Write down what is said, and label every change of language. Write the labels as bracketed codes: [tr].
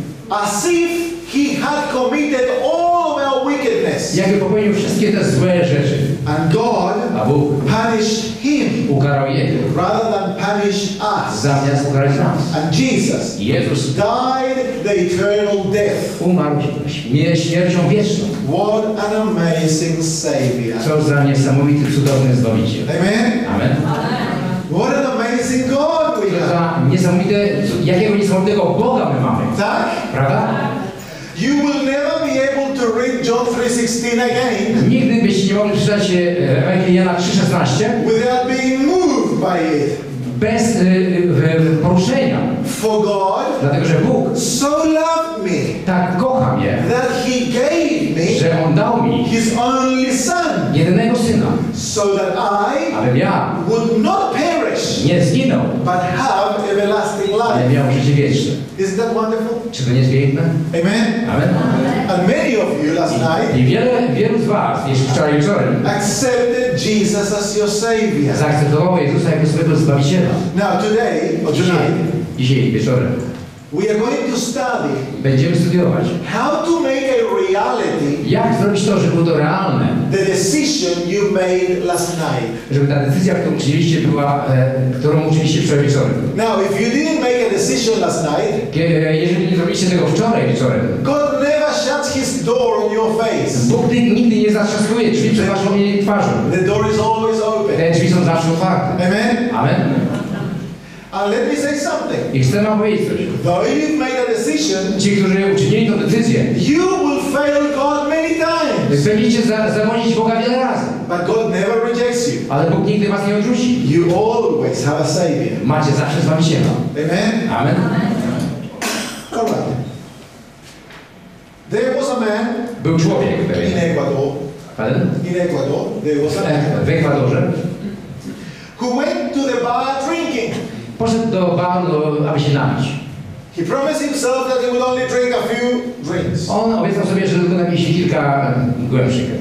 [en] As if he had committed all of our wickedness. [pl] Jakby popełnił wszystkie te złe rzeczy. [en] And God, [pl] a Bóg, [en] punished him, [pl] ukarał jego, [en] rather than punish us, [pl] zamiast ukarać nas. [en] And Jesus, [pl] Jezus, [en] died the eternal death. [pl] Umarł śmiercią wieczną. [en] What an amazing savior. [pl] Co za niesamowity, cudowny Zbawiciel. [en] Amen. [pl] Amen. [en] What an amazing God we have. [pl] Co za niesamowite, jakiego niesamowitego Boga my mamy. [en] Tak? [pl] Prawda? [en] You will never be able to read John 3:16 again. [pl] Nigdy byście nie mogli przeczytać Ewangelii Jana 3:16 [en] without being moved by it. [pl] Bez poruszenia. [en] For God, [pl] dlatego że Bóg [en] so loved me, [pl] tak kocha mnie, [en] that he gave me, [pl] że on dał mi [en] his only son, [pl] jedynego syna, [en] so that I, [pl] abym ja, [en] would not perish, [pl] nie zginął, [en] but have everlasting life, [pl] ale miał życie wieczne. [en] Isn't that wonderful? [pl] Czy to nie jest piękne? [en] Amen. [pl] Amen. [en] And many of you last night, [pl] i wielu z was jeszcze wczoraj wieczorem, [en] accepted Jesus as your savior, [pl] zaakceptowało Jezusa jako swojego Zbawiciela. [en] Now today, or tonight, [pl] dzisiaj wieczorem, [en] we are going to study, [pl] będziemy studiować, [en] how to make a reality, [pl] jak zrobić to, żeby było to realne, [en] the decision you made last night, [pl] żeby ta decyzja, którą uczyliście, była, którą uczyliście wczoraj wieczorem. [en] Now, if you didn't make a decision last night, [pl] jeżeli nie zrobiliście tego wczoraj wieczorem, [en] God never shuts his door on your face. [pl] Bóg nigdy nie zatrzaskuje drzwi przed waszą twarzą. [en] The door is always open. [pl] Te drzwi są zawsze otwarte. [en] Amen. [pl] Amen. [en] And let me say something. [pl] I chcę wam powiedzieć coś. [en] Though you've made a decision, [pl] ci, którzy uczynili tę decyzję, [en] you will fail God many times. [pl] Wy będziecie zawodzić Boga wiele razy. [en] But God never rejects you. [pl] Ale Bóg nigdy was nie odrzuci. [en] You always have a savior. [pl] Macie zawsze Zbawiciela. [en] Amen. [pl] Amen. Amen. [en] All right. There was a man. [pl] Był człowiek pewien. [en] In Ecuador. Pardon? In Ecuador. There was a man. [pl] W Ekwadorze. [en] Who went to the bar drinking. [pl] Poszedł do baru, aby się napić. [en] He promised himself that he would only drink a few drinks. [pl] On obiecał sobie, że tylko napił się kilka głębszych.